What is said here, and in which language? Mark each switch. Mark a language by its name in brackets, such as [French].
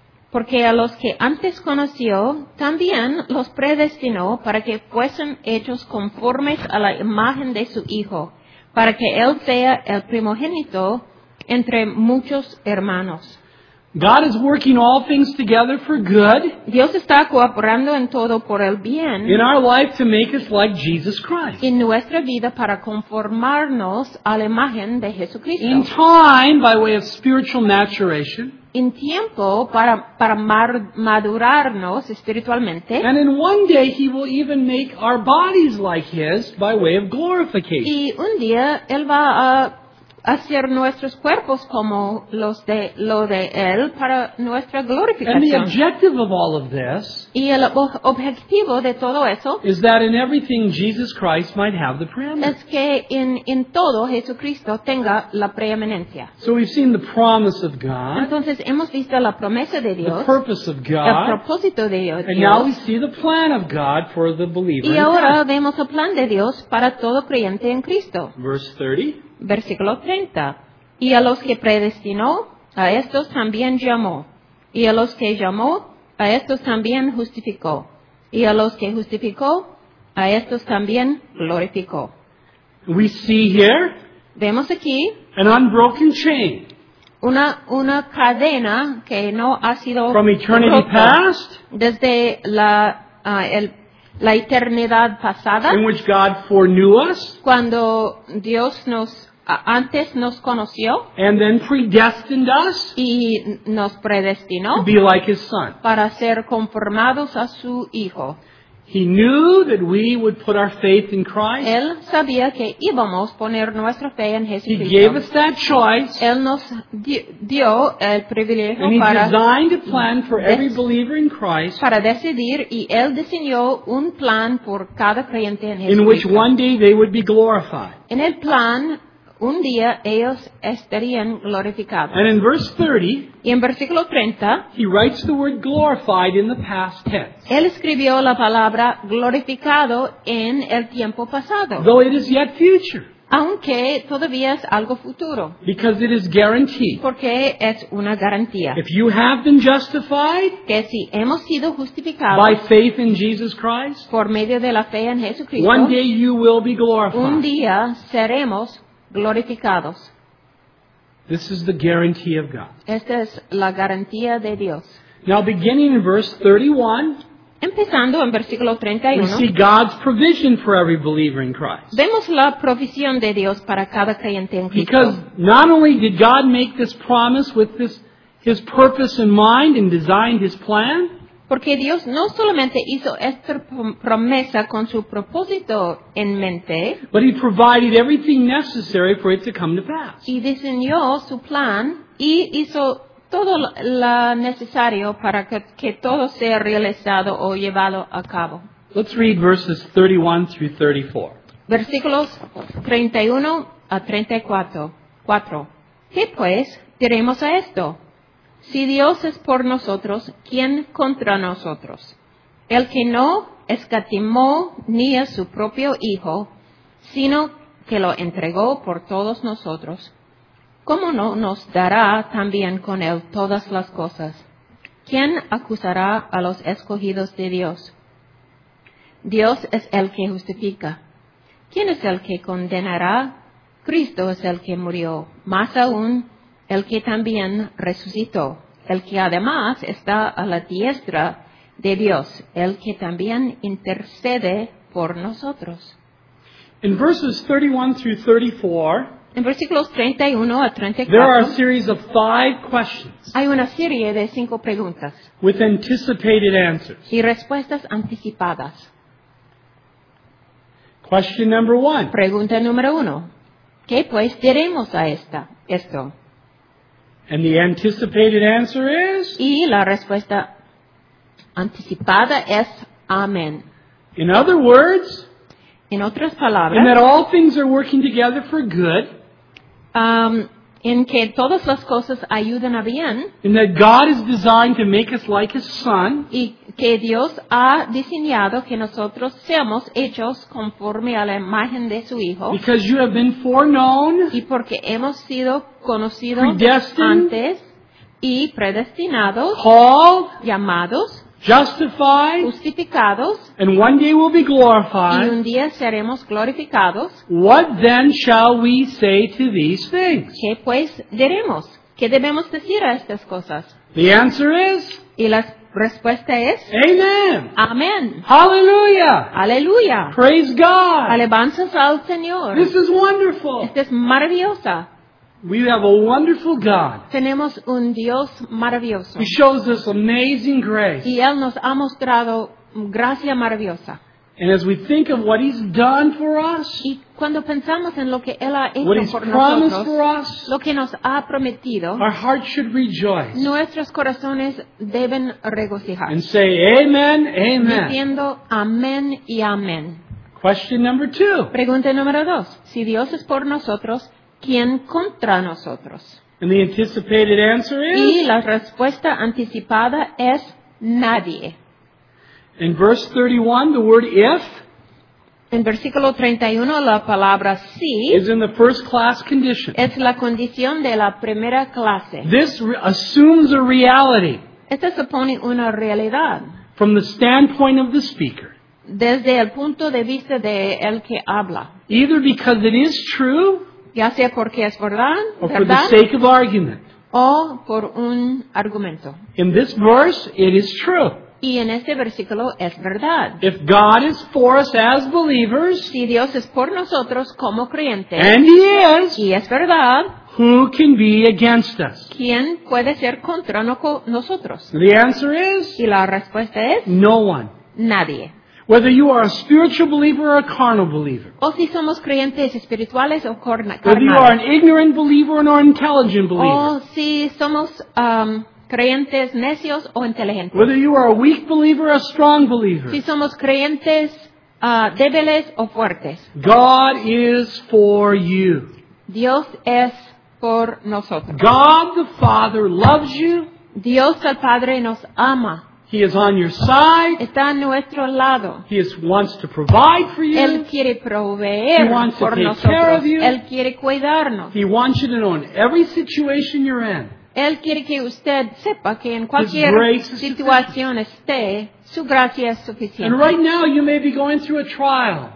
[Spanish] Porque a los que antes conoció, también los predestinó para que fuesen hechos conformes a la imagen de su Hijo, para que Él sea el primogénito entre muchos hermanos. [English] God is working all things together for good. [Spanish] Dios está cooperando en todo por el bien. [English] In our life to make us like Jesus Christ. [Spanish] En nuestra vida para conformarnos a la imagen de Jesucristo. [English] In time, by way of spiritual maturation. [Spanish] En tiempo para madurarnos espiritualmente. [English] And in one day He will even make our bodies like His by way of glorification. [Spanish] Y un día Él va a hacer nuestros cuerpos como lo de él para nuestra glorificación. [English] And the objective of all of this [Spanish] y el objetivo de todo eso [English] is that in everything Jesus Christ might have the preeminence. [Spanish] Es que en todo Jesucristo tenga la preeminencia. [English] So we've seen the promise of God. [Spanish] Entonces hemos visto la promesa de Dios. [English] The purpose of God. [Spanish] El propósito de Dios. [English] And now we see the plan of God for the believer. [Spanish] Y ahora vemos el plan de Dios para todo creyente en Cristo. [English] Verse 30. [Spanish] Versículo 30. Y a los que predestinó, a estos también llamó. Y a los que llamó, a estos también justificó. Y a los que justificó, a estos también glorificó. [English] We see here. [Spanish] Vemos aquí. [English] An unbroken chain. [Spanish] Una cadena que no ha sido. [English] From eternity past. [Spanish] Desde la eternidad pasada. [English] In which God foreknew us. [Spanish] Cuando Dios nos. Antes nos conoció [English] and then predestined us [Spanish] y nos predestinó [English] to be like his son. [Spanish] Para ser conformados a su Hijo. [English] He knew that we would put our faith in Christ. [Spanish] Él sabía que íbamos poner nuestra fe en Jesucristo. [English] He gave us that choice. [Spanish] Él nos dio el privilegio [English] and [Spanish] para [English] he designed a plan for every believer in Christ. [Spanish] Para decidir y él diseñó un plan por cada creyente en Jesucristo. [English] In which one day they would be glorified. [Spanish] En el plan un día ellos estarían glorificados. [English] And in verse 30, [Spanish] y en versículo 30, [English] he writes the word glorified in the past tense. [Spanish] Él escribió la palabra glorificado en el tiempo pasado. [English] Though it is yet future. [Spanish] Aunque todavía es algo futuro. [English] Because it is guaranteed. [Spanish] Porque es una garantía. [English] If you have been justified, [Spanish] que si hemos sido justificados [English] by faith in Jesus Christ, [Spanish] por medio de la fe en Jesucristo, [English] one day you will be glorified. [Spanish] Un día seremos glorificados. [English] This is the guarantee of God. [Spanish] Esta es la garantía de Dios. [English] Now beginning in verse 31, [Spanish] empezando en versículo 31, [English] we see God's provision for every believer in Christ. [Spanish] Vemos la provisión de Dios para cada creyente en Cristo. [English] Because not only did God make this promise with this, his purpose in mind and designed his plan, [Spanish] porque Dios no solamente hizo esta promesa con su propósito en mente, [English] but he provided everything necessary for it to come to pass. [Spanish] Y diseñó su plan y hizo todo lo necesario para que todo sea realizado o llevado a cabo. [English] Let's read verses 31 through 34. [Spanish] Versículos 31 a 34. 4. ¿Qué pues diremos a esto? Si Dios es por nosotros, ¿quién contra nosotros? El que no escatimó ni a su propio Hijo, sino que lo entregó por todos nosotros, ¿cómo no nos dará también con Él todas las cosas? ¿Quién acusará a los escogidos de Dios? Dios es el que justifica. ¿Quién es el que condenará? Cristo es el que murió, más aún, el que también resucitó, el que además está a la diestra de Dios, el que también intercede por nosotros. [English] In verses 31 through 34, [Spanish] en versículos 31 a 34, [English] there are a series of five questions. [Spanish] Hay una serie de cinco preguntas. [English] With anticipated answers. [Spanish] Y respuestas anticipadas. [English] Question number one. [Spanish] Pregunta número uno. ¿Qué pues diremos a esto? [English] And the anticipated answer is? [Spanish] Y la respuesta anticipada es amén. [English] In other words, [Spanish] en otras palabras, [English] and that all things are working together for good, [Spanish] en que todas las cosas ayudan a bien, [English] and that God is designed to make us like His Son, [Spanish] y que Dios ha diseñado que nosotros seamos hechos conforme a la imagen de su Hijo, [English] because you have been foreknown, [Spanish] y porque hemos sido conocidos antes y predestinados, [English] called, [Spanish] llamados, [English] justified, [Spanish] justificados, [English] and one day we'll be glorified, [Spanish] y un día seremos glorificados. [English] What then shall we say to these things? [Spanish] ¿Qué pues diremos? ¿Qué debemos decir a estas cosas? [English] The answer is, [Spanish] y la respuesta es, [English] amen. [Spanish] Amen. [English] Hallelujah. [Spanish] Hallelujah. [English] Praise God. [Spanish] Alabanzas al Señor. [English] This is wonderful. [Spanish] Esta es maravillosa. [English] We have a wonderful God. [Spanish] Tenemos un Dios maravilloso. [English] He shows us amazing grace. [Spanish] Y Él nos ha mostrado gracia maravillosa. [English] And as we think of what He's done for us, [Spanish] y cuando pensamos en lo que Él ha hecho [English] what He's [Spanish] por [English] promised [Spanish] nosotros, [English] for us, [Spanish] lo que nos ha prometido, [English] our hearts should rejoice. [Spanish] Nuestros corazones deben regocijarse. [English] And say, amen, amen. [Spanish] Diciendo amén y amén. [English] Question number two. [Spanish] Pregunta número dos. Si Dios es por nosotros, ¿quién contra nosotros? [English] And the anticipated answer is, [Spanish] y la respuesta anticipada es nadie. [English] In verse 31, the word if, [Spanish] en versículo 31, la palabra sí, [English] is in the first class condition. [Spanish] Es la condición de la primera clase. [English] This assumes a reality. [Spanish] Esto supone una realidad. [English] From the standpoint of the speaker. [Spanish] Desde el punto de vista de el que habla. [English] Either because it is true, [Spanish] ya sea porque es verdad, [English] or for the sake of argument. [Spanish] O por un argumento. [English] In this verse, it is true. [Spanish] Y en este versículo es verdad. [English] If God is for us as believers, [Spanish] si Dios es por nosotros como creyentes, [English] and He is, [Spanish] y es verdad, [English] who can be against us? [Spanish] ¿Quién puede ser contra nosotros? [English] The answer is, [Spanish] y la respuesta es, [English] no one. [Spanish] Nadie. [English] Whether you are a spiritual believer or a carnal believer. [Spanish] O si somos creyentes espirituales o carnales. [English] Whether you are an ignorant believer or an intelligent believer. [Spanish] O si somos creyentes necios o inteligentes. [English] Whether you are a weak believer or a strong believer. [Spanish] Si somos creyentes débiles o fuertes. [English] God is for you. [Spanish] Dios es por nosotros. [English] God the Father loves you. [Spanish] Dios el Padre nos ama. [English] He is on your side. [Spanish] Está a nuestro lado. [English] He is, wants to provide for you. [Spanish] Él quiere proveer [English] He wants [Spanish] por [English] to take [Spanish] nosotros. [English] Care of you. [Spanish] Él quiere cuidarnos. [English] He wants you to know in every situation you're in. [Spanish] Él quiere que usted sepa que en cualquier situación esté, su gracia es suficiente. [English] And right now you may be going through a trial.